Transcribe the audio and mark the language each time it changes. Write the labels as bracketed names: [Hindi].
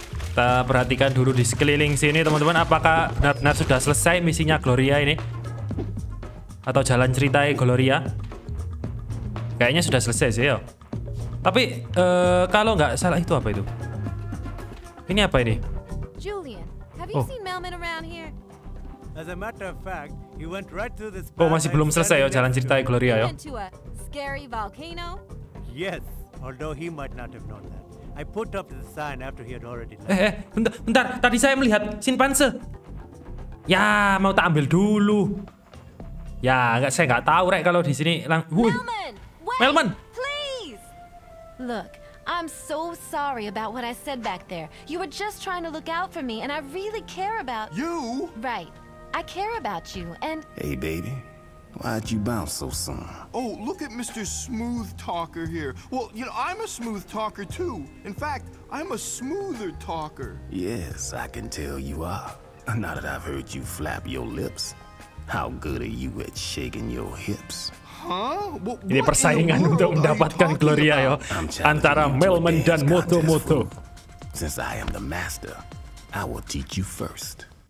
[Indonesian] Kita perhatikan dulu di sekeliling sini teman-teman, apakah benar-benar sudah selesai misinya Gloria ini atau jalan cerita Gloria. Kayaknya sudah selesai sih ya. Tapi kalau nggak salah itu apa itu? Ini apa ini? [English] Julian, have you seen Melman around here? As a matter of fact, he went right to this. [Indonesian] Oh, masih belum selesai ya jalan cerita Gloria ya. [English] Went to a scary volcano? Yes, although he might not have known that. I put up the sign after he had already left. [Indonesian] Bentar, tadi saya melihat simpanse. Ya, mau tak ambil dulu. Ya, saya enggak tahu rek kalau di sini. [English] Melman, please. Look, I'm so sorry about what I said back there. You were just trying to look out for me and I really care about you. Right. I care about you and hey baby. Why'd you bounce so soon? Oh, look at Mr. Smooth Talker here. Well, you know, I'm a smooth talker too. In fact, I'm a smoother talker. Yes, I can tell you are. Now that I've heard you flap your lips, how good are you at shaking your hips? Huh? [Indonesian] Ini persaingan untuk mendapatkan Gloria ya antara Melman dan Moto-Moto. [English] Since I am the master, I will teach you first.